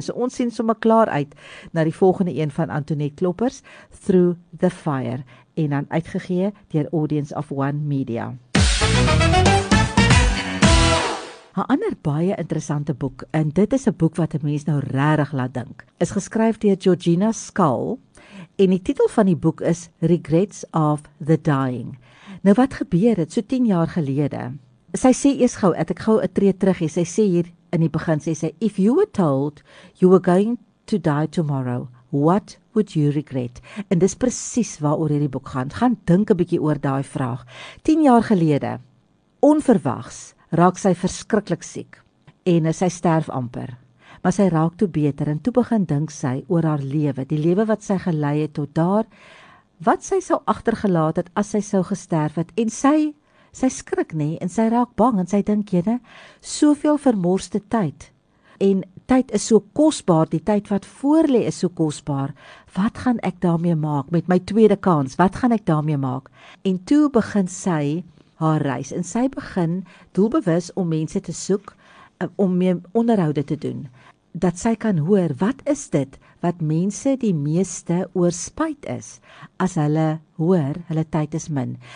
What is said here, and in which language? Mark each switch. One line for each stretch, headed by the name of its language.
Afrikaans: So ons sien sommer klaar uit na die volgende een van Antoinette Kloppers, Through the Fire, en dan uitgegee deur Audience of One Media. Haar ander baie interessante boek, en dit is 'n boek wat 'n mens nou regtig laat dink, is geskryf deur Georgina Skull, en die titel van die boek is Regrets of the Dying. Nou wat gebeur het, so 10 jaar gelede, sy sê eers gou, ek gou 'n tree terug, sy sê hier in die begin, sy sê,
English: if you were told you were going to die tomorrow, what would you regret?
Afrikaans: En dis precies waaroor hierdie boek gaan. Gaan dink 'n bietjie oor daai vraag. 10 jaar gelede, onverwags, raak sy verskriklik siek en sy sterf amper. Maar sy raak toe beter en toe begin dink sy oor haar lewe, die lewe wat sy gelei het tot daar, wat sy sou agtergelaat het as sy sou gesterf het. En sy skrik nie en sy raak bang en sy dink, jene, soveel vermorste tyd. En tyd is so kosbaar, die tyd wat voorlê is so kosbaar. Wat gaan ek daarmee maak met my tweede kans? Wat gaan ek daarmee maak? En toe begin sy haar reis en sy begin doelbewus om mense te soek, om mee onderhoude te doen, dat sy kan hoor, wat is dit wat mense die meeste oorspyt is, as hulle hoor, hulle tyd is min.